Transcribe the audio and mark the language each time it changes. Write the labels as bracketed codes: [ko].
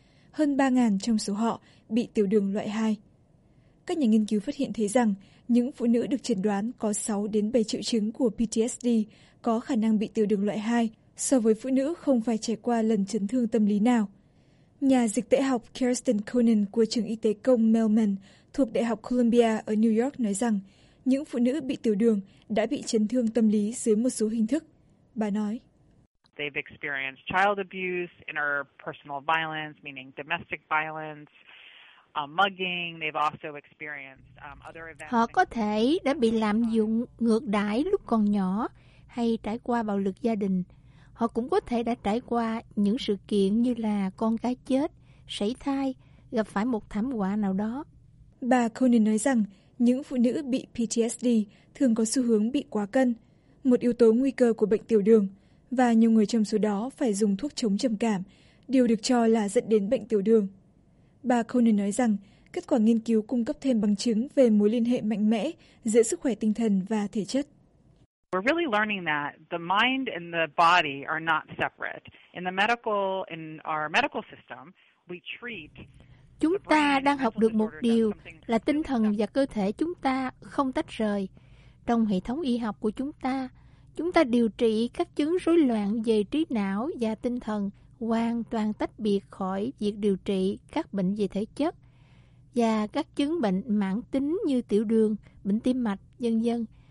[vi] Hơn 3.000 trong số họ bị tiểu đường loại 2. Các nhà nghiên cứu phát hiện thấy rằng những phụ nữ được chẩn đoán có 6 đến 7 triệu chứng của PTSD có khả năng bị tiểu đường loại 2 so với phụ nữ không phải trải qua lần chấn thương tâm lý nào. Nhà dịch tễ học Kirsten Conan của Trường Y tế Công Melman thuộc Đại học Columbia ở New York nói rằng những phụ nữ bị tiểu đường đã bị chấn thương tâm lý dưới một số hình thức. Bà nói, [en] they've experienced child abuse, interpersonal violence, meaning domestic violence, mugging. They've also experienced other events. [vi] Họ có thể đã bị lạm dụng, ngược đãi lúc còn nhỏ, hay trải qua bạo lực gia đình. Họ cũng có thể đã trải qua những sự kiện như là con cái chết, sảy thai, gặp phải một thảm họa nào đó. Bà Conan nói rằng những phụ nữ bị PTSD thường có xu hướng bị quá cân, một yếu tố nguy cơ của bệnh tiểu đường, và nhiều người trong số đó phải dùng thuốc chống trầm cảm, điều được cho là dẫn đến bệnh tiểu đường. Bà Conan nói rằng kết quả nghiên cứu cung cấp thêm bằng chứng về mối liên hệ mạnh mẽ giữa sức khỏe tinh thần và thể chất. [en] We're really learning that the mind and the body are not separate. In our medical system, we treat. [vi] Chúng ta đang học được một điều là tinh thần và cơ thể chúng ta không tách rời. Trong hệ thống y học của chúng ta điều trị các chứng rối loạn về trí não và tinh thần hoàn toàn tách biệt khỏi việc điều trị các bệnh về thể chất và các chứng bệnh mãn tính như tiểu đường, bệnh tim mạch, vân vân.